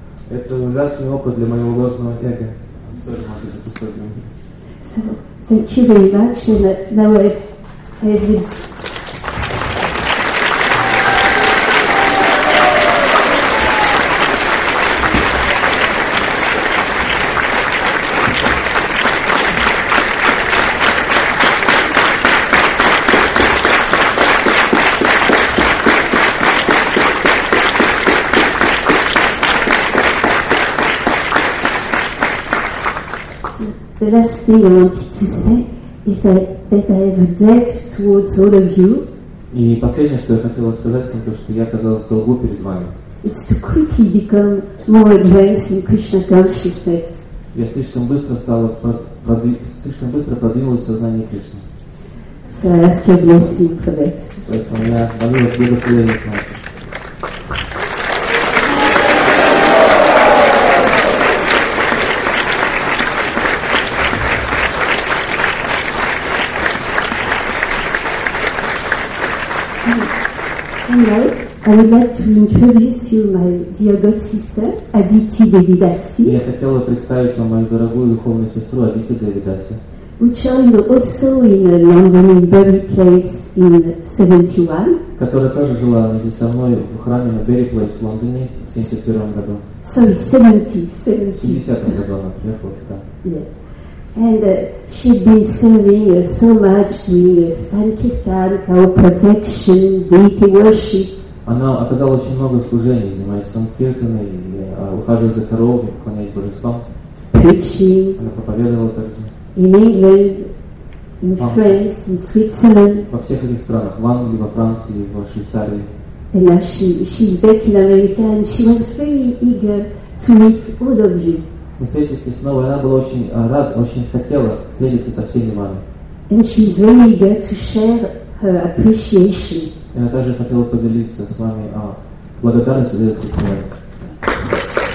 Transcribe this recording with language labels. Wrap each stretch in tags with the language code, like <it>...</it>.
<ru>Это ужасный опыт для моего ложного эго.</ru> <en>So, thank you very much, and now I've been... The last thing I wanted to say is that I have a debt towards all of you.</en> <ru>И последнее, что я хотела сказать, это то, что я оказался в долгу перед вами.</ru> <en>It's to quickly become more advanced in Krishna consciousness.</en> <ru>Я слишком быстро продвинулась в сознании Кришны.</ru> <en>So I ask your blessing for that.</en> <ru>Поэтому я молилась благословение к вам.</ru> <en>I would like to introduce you my dear god sister Aditi Devidasi.</en> <ru>Я хотела представить вам мою дорогую духовную сестру Адити Девидаси.</ru> <en>Who joined also in London in Berry Place in 71.</en> <ru>Которая тоже жила вместе со мной в храме на Berry Place в Лондоне в 71 году.</ru> <en>Sorry, 70.</en> <ru>В 70 году она приехала туда.</ru> <en>Yeah. And she'd been serving so much doing sankirtan, cow protection, deity worship.</en> <ru>Она оказала очень много служений, занимаясь санкиртаной, ухаживая за коровами, поклоняясь божествам.</ru> <en>Preaching.</en> <ru>Она проповедовала также.</ru> <en>In England, in France, in Switzerland.</en> <ru>Во всех этих странах, в Англии, во Франции, в Швейцарии.</ru> <en>And now she's back in America, and she was very eager to meet all of you.</en> <ru>Мы встретились снова, она была очень рада, очень хотела встретиться со всеми вами.</ru> <en>And she's very eager to share her appreciation.</en> <ru>Я также хотел поделиться с вами благодарностью за этот фестиваль.</ru>